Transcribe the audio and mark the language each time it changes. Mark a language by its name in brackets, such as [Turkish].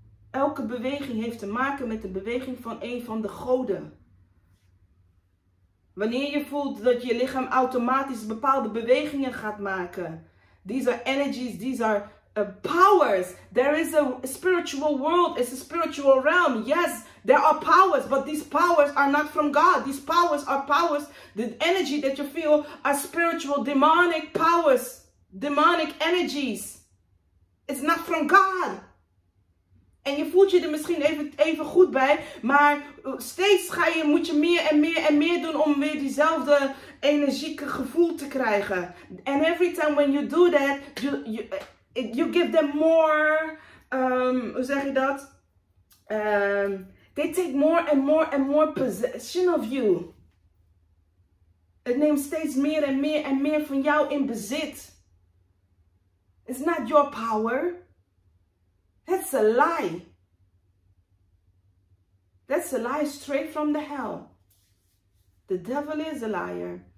[Dutch] Elke beweging heeft te maken met de beweging van een van de goden. Wanneer je voelt dat je lichaam automatisch bepaalde bewegingen gaat maken. [English] These are energies, these are powers. There is a spiritual world, it's a spiritual realm. Yes, there are powers, but these powers are not from God. These powers are powers, the energy that you feel are spiritual, demonic powers, demonic energies. It's not from God. [Dutch] En je voelt je er misschien even goed bij, maar steeds moet je meer en meer en meer doen om weer diezelfde energieke gevoel te krijgen. [English] And every time when you do that, you give them more, [Dutch] hoe zeg je dat? [English] They take more and more and more possession of you. [Dutch] Het neemt steeds meer en meer en meer van jou in bezit. [English] It's not your power. That's a lie. That's a lie straight from the hell. The devil is a liar.